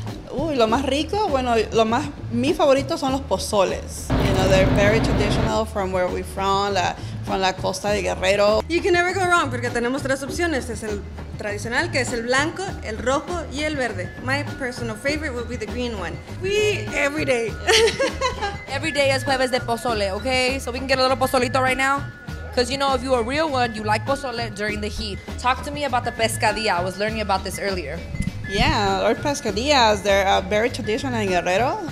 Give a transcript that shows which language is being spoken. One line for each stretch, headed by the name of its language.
Spanish: Uy, lo más rico, bueno, lo más, mi favorito son los pozoles.
English: You know, they're very traditional from where we're from
Spanish: la costa de Guerrero.
English: You can never go wrong
Spanish: porque tenemos tres opciones. Es el tradicional, que es el blanco, el rojo y el verde.
English: My personal favorite would be the green one. We every day. Every day
Spanish: es jueves de pozole,
English: okay? So we can get a little pozolito right now. Because you know, if you're a real one, you like pozole during the heat. Talk to me about the pescadilla. I was learning about this earlier. Yeah, our pescadillas, they're very traditional in Guerrero.